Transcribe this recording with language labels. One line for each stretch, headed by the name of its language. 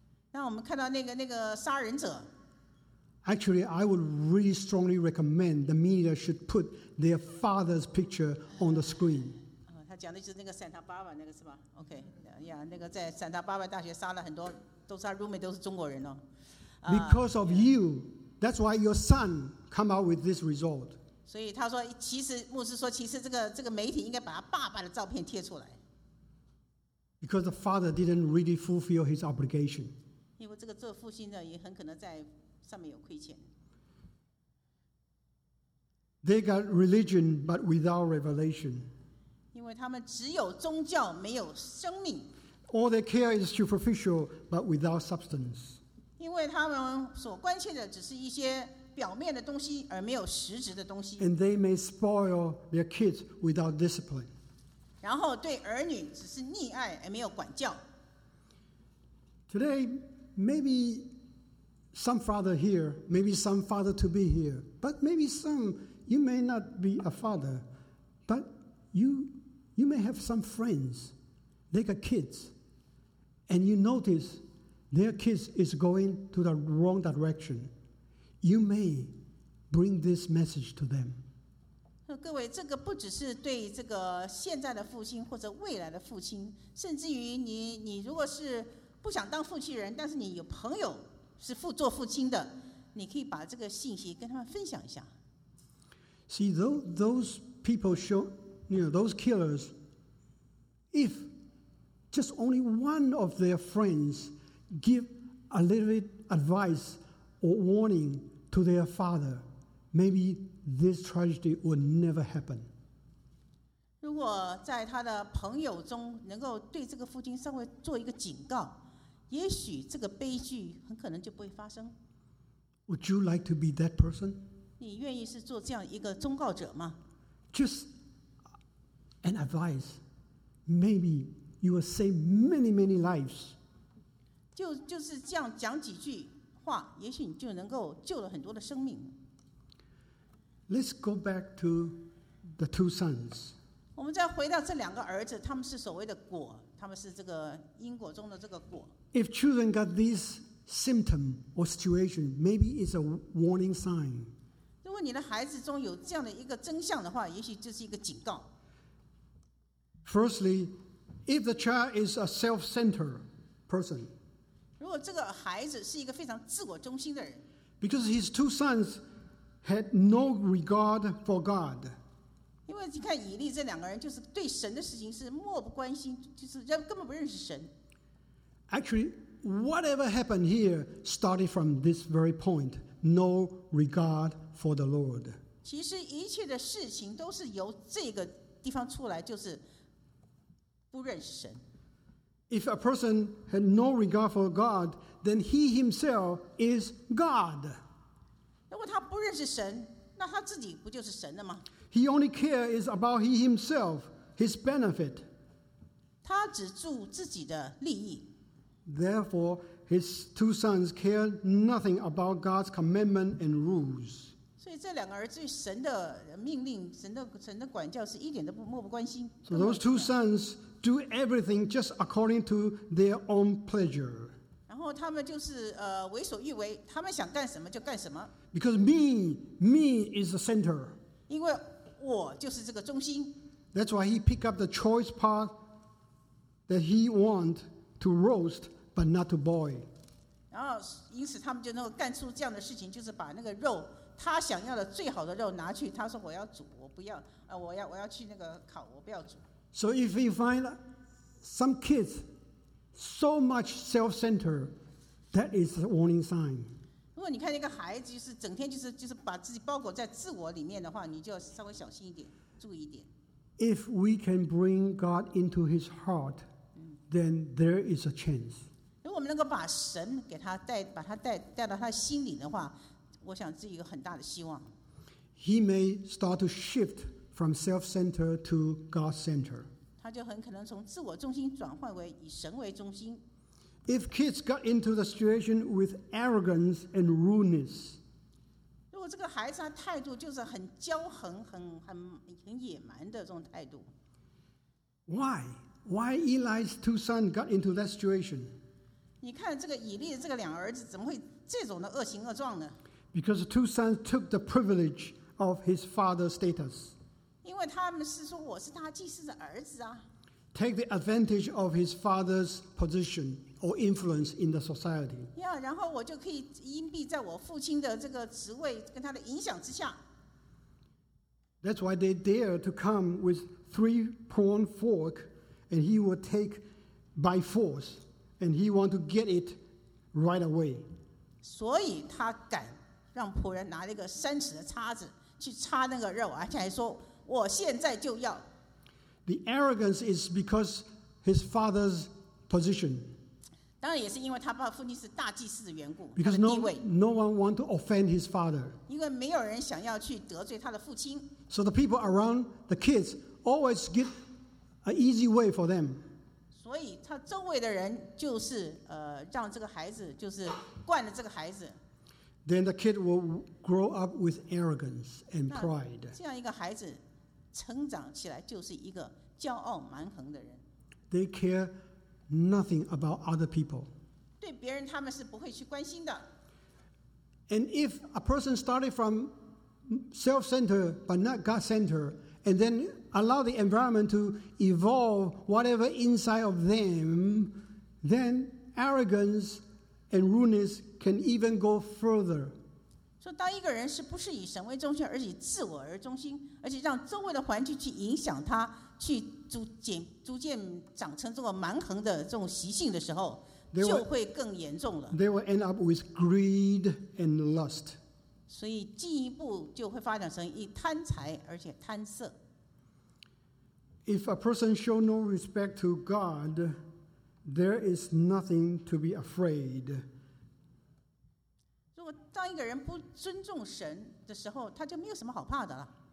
Chinese: 那我们看到那个杀人者。
English: Actually, I would really strongly recommend the media should put their father's picture on the screen.
Chinese: 讲的就是那个 Santa Barbara 那个是吧 ？OK， 呀，那个在 Santa Barbara 大学杀了很多，都是他 roommate 都是中国人哦。
English: Because of you, that's why your son come out with this result.
Chinese: 所以他说，其实牧师说，其实这个媒体应该把他爸爸的照片贴出来。
English: Because the father didn't really fulfill his obligation.
Chinese: 因为这个做父亲的也很可能在上面有亏欠。
English: They got religion, but without revelation.
Chinese: 因为他们只有宗教，没有生命。
English: All they care is superficial, but without substance.
Chinese: 因为他们所关切的只是一些表面的东西，而没有实质的东西。
English: And they may spoil their kids without discipline.
Chinese: 然后对儿女只是溺爱，而没有管教。
English: Today, maybe some father here, maybe some father to be here, but maybe some you may not be a father, but you. You may have some friends, they got kids, and you notice their kids is going to the wrong direction. You may bring this message to them.
Chinese: 各位，这个不只是对这个现在的父亲或者未来的父亲，甚至于你如果是不想当父亲人，但是你有朋友是做父亲的，你可以把这个信息跟他们分享一下。
English: See, those people show. You know, those killers, if just only one of their friends give a little bit advice or warning to their father, maybe this tragedy would never happen.
Chinese: 如果在他的朋友中能够对这个父亲稍微做一个警告，也许这个悲剧很可能就不会发生。
English: Would you like to be that person?
Chinese: 你愿意是做这样一个忠告者吗？
English: Just an advice, maybe you will save many, many lives.
Chinese: 就是这样讲几句话，也许你就能够救了很多的生命。
English: Let's go back to the two sons.
Chinese: 我们再回到这两个儿子，他们是所谓的果，他们是这个因果中的这个果。
English: If children got this symptom or situation, maybe it's a warning sign.
Chinese: 如果你的孩子中有这样的一个征象的话，也许就是一个警告。
English: Firstly, if the child is a self-centered person,
Chinese: 如果这个孩子是一个非常自我中心的人，
English: because his two sons had no regard for God,
Chinese: 因为你看以利这两个人就是对神的事情是漠不关心，就是根本不认识神。
English: Actually, whatever happened here started from this very point: no regard for the Lord.
Chinese: 其实一切的事情都是由这个地方出来，就是。不认识神。
English: If a person had no regard for God, then he himself is God.
Chinese: 如果他不认识神，那他自己不就是神了吗？
English: He only cares is about he himself, his benefit.
Chinese: 他只注自己的利益。
English: Therefore, his two sons care nothing about God's commandment and rules.
Chinese: 所以这两个儿子对神的命令、神的管教是一点都不漠不关心。
English: So those two sons do everything just according to their own pleasure.
Chinese: 然后他们就是为所欲为，他们想干什么就干什么。
English: Because me is the center.
Chinese: 因为我就是这个中心。
English: That's why he picked up the choice part that he want to roast, but not to boil.
Chinese: 然后因此他们就能够干出这样的事情，就是把那个肉，他想要的最好的肉拿去，他说我要煮，我不要，我要去那个烤，我不要煮。
English: So if you find some kids so much self-centered, that is a warning sign.
Chinese: 如果你看那个孩子就是整天就是把自己包裹在自我里面的话，你就稍微小心一点，注意一点。
English: If we can bring God into his heart, then there is a chance.
Chinese: 如果我们能够把神给他带，把他带到他心里的话，我想这有很大的希望。
English: He may start to shift from self-center to God-center.
Chinese: 他就很可能从自我中心转换为以神为中心。
English: If kids got into the situation with arrogance and rudeness,
Chinese: 如果这个孩子他态度就是很骄横、很野蛮的这种态度
English: ，Why? Why Eli's two sons got into that situation?
Chinese: 你看这个以利的这个两儿子怎么会这种的恶行恶状呢
English: ？Because the two sons took the privilege of his father's status.
Chinese: 因为他们是说我是大祭司的儿子啊。
English: Take the advantage of his father's position or influence in the society.
Chinese: 呀，然后我就可以荫蔽在我父亲的这个职位跟他的影响之下。
English: That's why they dare to come with three prong fork. And he will take by force, and he want to get it right away.
Chinese: 所以他敢让仆人拿了一个三尺的叉子去叉那个肉，而且还说我现在就要。
English: The arrogance is because his father's position.
Chinese: 当然也是因为他爸父亲是大祭司的缘故。
English: Because no one want to offend his father.
Chinese: 因为没有人想要去得罪他的父亲。
English: So the people around the kids always get. An easy way for them.
Chinese: 所以他周围的人就是让这个孩子就是惯了这个孩子。
English: Then the kid will grow up with arrogance and pride.
Chinese: 这样一个孩子成长起来就是一个骄傲蛮横的人。
English: They care nothing about other people.
Chinese: 对别人他们是不会去关心的。
English: And if a person started from self-centered but not God-centered,And then allow the environment to evolve whatever inside of them, then arrogance and rudeness can even go further.
Chinese: So, 当一个人是不是以神为中心，而以自我而中心，而且让周围的环境去影响他，去逐渐长成这个蛮横的这种习性的时候，就会更严重了。
English: They will end up with greed and lust.
Chinese: 所以进一步就会发展成一贪财，而且贪色。
English: If a person show no respect to God, there is nothing to be afraid.
Chinese: 如果当一个人不尊重神的时候，他就没有什么好怕的了。